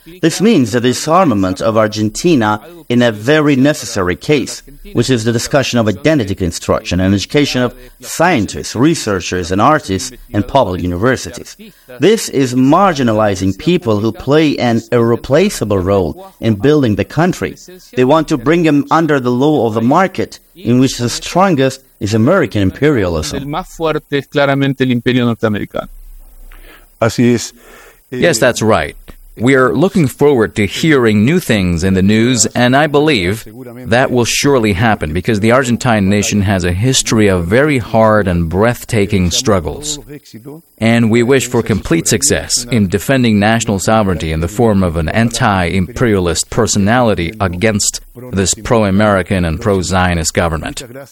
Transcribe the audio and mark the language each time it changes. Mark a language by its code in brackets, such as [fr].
[en] This means the disarmament of Argentina in a very necessary case, which is the discussion of identity construction and education of scientists, researchers, and artists in public universities. This is marginalizing people who play an irreplaceable role in building the country. They want to bring them under the law of the market, in which the strongest is American imperialism. [es] El más fuerte es claramente el imperio norteamericano. Así es. [en] Yes, that's right. We are looking forward to hearing new things in the news, and I believe that will surely happen because the Argentine nation has a history of very hard and breathtaking struggles. And we wish for complete success in defending national sovereignty in the form of an anti-imperialist personality against this pro-American and pro-Zionist government.